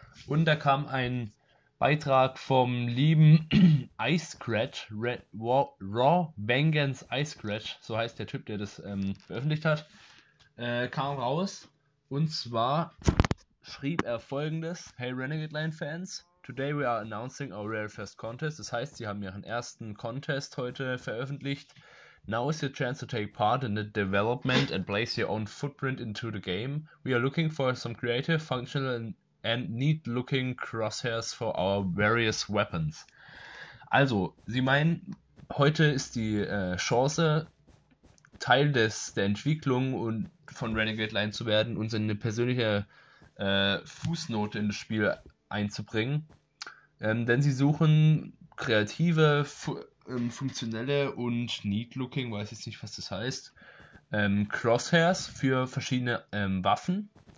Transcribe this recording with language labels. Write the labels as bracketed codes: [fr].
[de] Und da kam ein Beitrag vom lieben Ice Scratch, Raw Bangans Ice Scratch, so heißt der Typ, der das veröffentlicht hat, kam raus. Und zwar schrieb er folgendes: [en] Hey Renegade Line Fans, today we are announcing our very first contest. [de] Das heißt, sie haben ihren ersten Contest heute veröffentlicht. [en] Now is your chance to take part in the development and place your own footprint into the game. We are looking for some creative, functional and neat-looking crosshairs for our various weapons. [de] Also, sie meinen, heute ist die Chance, Teil der Entwicklung und von Renegade Line zu werden und seine persönliche Fußnote in das Spiel einzubringen, denn sie suchen kreative, funktionelle und neat-looking, weiß jetzt nicht, was das heißt, Crosshairs für verschiedene Waffen.